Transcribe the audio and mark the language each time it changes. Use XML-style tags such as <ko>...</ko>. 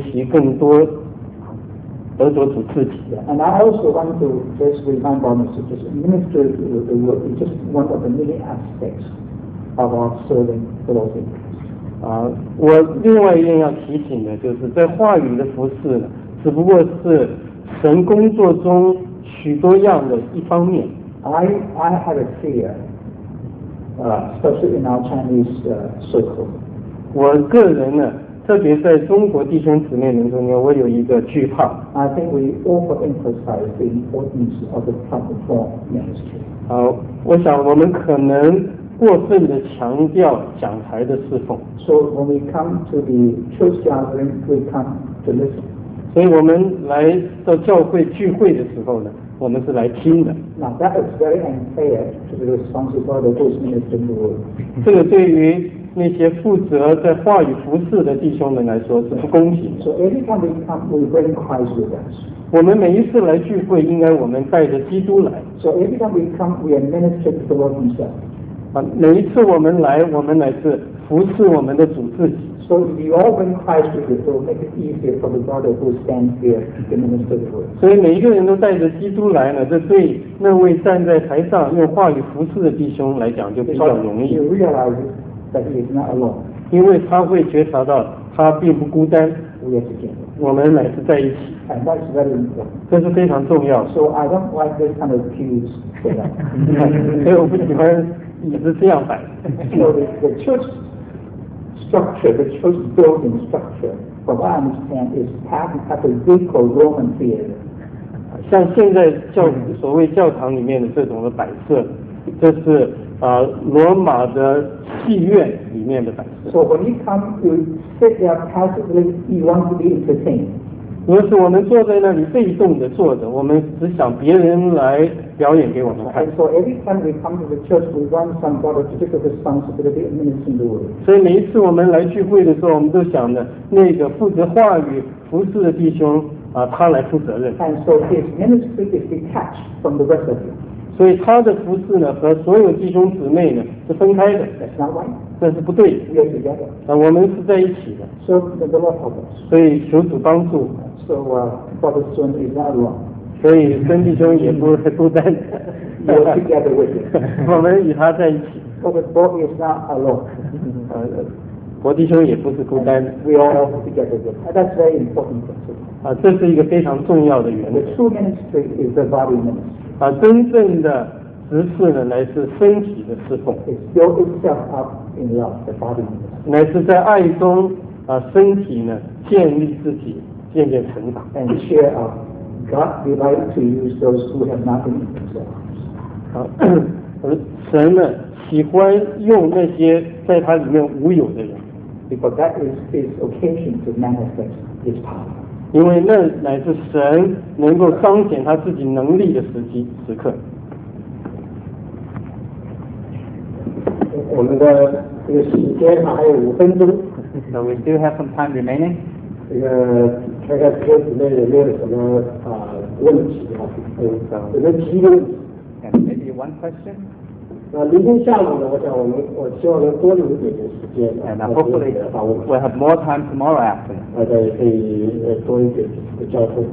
<zh>所以我们若是要在主话语上面服侍，我们要学习更多得着主自己。</zh> <en>And I also want to just remind our messages, minister the word is just one of the many aspects of our serving the Lord in Christ.</en> <zh>我另外一件要提醒的就是在话语的服侍只不过是神工作中许多样的一方面。</zh> <en>I have a fear. Especially in our Chinese circle.</en> <zh>我个人呢, 特别在中国弟兄姊妹们中间, 我有一个惧怕。</zh> <en>I think we overemphasize the importance of the platform ministry.</en> <zh>我想我们可能过分地强调讲台的侍奉。</zh> <en>So when we come to the church gathering, we come to listen.</en> <zh>所以我们来到教会聚会的时候呢, 我们是来听的。</zh> <en>Now that is very unfair to the responsibility of those ministering the word.</en> <zh>这个对于那些负责在话语服事的弟兄们来说是不公平的。</zh> <en>So every time we come, we bring Christ with us.</en> <zh>我们每一次来聚会，应该我们带着基督来。</zh> <en>So every time we come, we administer to the Lord Himself.</en> <zh>每一次我们来，我们乃是服事我们的主自己。</zh> <en>So if you all bring Christ with you, it will make it easier for the brother who stands here to minister the word.</en> <zh>所以每一个人都带着基督来呢，这对那位站在台上用话语服事的弟兄来讲就比较容易。</zh> <en>Because he realizes that he is not alone.</en> <zh>因为他会觉察到他并不孤单。</zh> <en>We are together.</en> <zh>我们乃是在一起。</zh> <en>And that's very important.</en> <zh>这是非常重要。</zh> <en>So I don't like this kind of pews.</en> <zh>所以我不喜欢椅子这样摆。</zh> <en>So the church. Structure, the church building structure, from what I understand, is patterned after Greek or Roman theater.</en> <zh>像现在教所谓教堂里面的这种的摆设，这是罗马的戏院里面的摆设。</zh> <en>So when you come, you sit there passively, you want to be entertained.</en> <zh>如果是我们坐在那里被动的坐着，我们只想别人来表演给我们看。</zh> <en>So every time we come to the church, we run some sort of particular responsibility in ministering the word.</en> <zh>所以每一次我们来聚会的时候，我们都想着那个负责话语服事的弟兄他来负责任。</zh> <en>And so his ministry is detached from the rest of you.</en> <zh>所以他的服事呢和所有弟兄姊妹呢是分开的。</zh> <en>That's not right.</en> <zh>那是不对</zh> <en>的 together.</en> <zh>我们是在一起的</zh> <en>so, the Lord help us.</en> <zh>所以求主帮助</zh> <en>so, Brother Sun is not alone.</en> <zh>所以孙弟兄也不孤单</zh> <en>You're together with him.</en> <zh>我们与他在一起</zh> <en>Brother Bob is not alone.</en> <zh>伯弟兄也不是孤单</zh> <en>We all are together with him. That's very important principle.</en> <zh>这是一个非常重要的原则</zh> <en>The true ministry is the body ministry.</en> <zh>真正的执事呢，乃是身体的侍奉。</zh> <en>It's built itself up in love, the body.</en> <zh>乃是在爱中身体呢建立自己，渐渐成长。</zh> <en>And share up, God delights to use those who have nothing in themselves.</en> <zh>神呢喜欢用那些在他里面无有的人。</zh> <en>Because that is His occasion to manifest His power.</en> <zh>因为那乃是神能够彰显他自己能力的时机时刻。我们的这个时间还有五分钟</zh> <en>，so we still have some time remaining。</en> <zh>这个看看各位姊妹有没有什么问题啊？有没有提问</zh> <en>？Maybe one question。</en> <zh>那明天下午呢？我希望能多留一点时间。</zh> <en>And hopefully we'll have more time tomorrow afternoon。</en> <zh>大家也可以多一点交通。</zh>